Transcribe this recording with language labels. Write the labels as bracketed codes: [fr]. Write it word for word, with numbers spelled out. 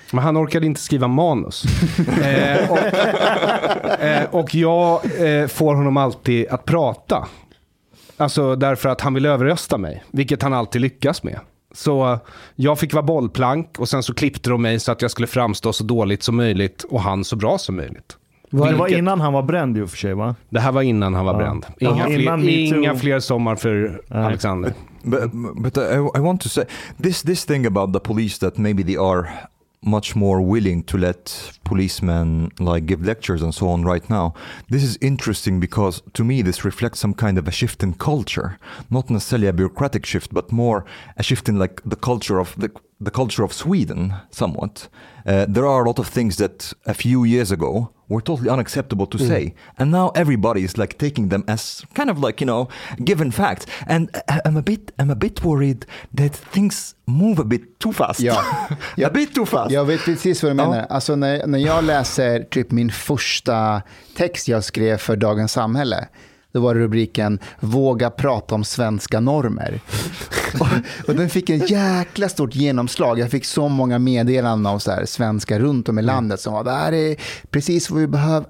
[sv] Men han orkade inte skriva manus. eh, och, eh, och jag eh, får honom alltid att prata. Alltså därför att han vill överrösta mig, vilket han alltid lyckas med. Så jag fick vara bollplank och sen så klippte de mig så att jag skulle framstå så dåligt som möjligt och han så bra som möjligt. Vilket... Det var innan han var bränd i och för sig, va? Det här var innan han var ja. bränd. Inga, ja. fler, inga fler sommar för ja. Alexander. [en] But, but, but I, I want to say this, this thing about the police that maybe they are much more willing to let policemen like give lectures and so on right now. This is interesting because to me this reflects some kind of a shift in culture, not necessarily a bureaucratic shift, but more a shift in like the culture of the, the culture of Sweden somewhat. Uh, there are a lot of things that a few years ago were totally unacceptable to mm. say, and now everybody is like taking them as kind of like, you know, given facts. And I, I'm a bit I'm a bit worried that things move a bit too fast. [sv] Ja. [en] a bit too fast. [sv] Jag vet precis vad du menar. Ja. Alltså när, när jag läser typ min första text jag skrev för Dagens Samhälle, då var det rubriken "Våga prata om svenska normer". och, och den fick en jäkla stort genomslag. Jag fick så många meddelanden av så här, svenskar runt om i landet som var, det här är precis vad vi behöver.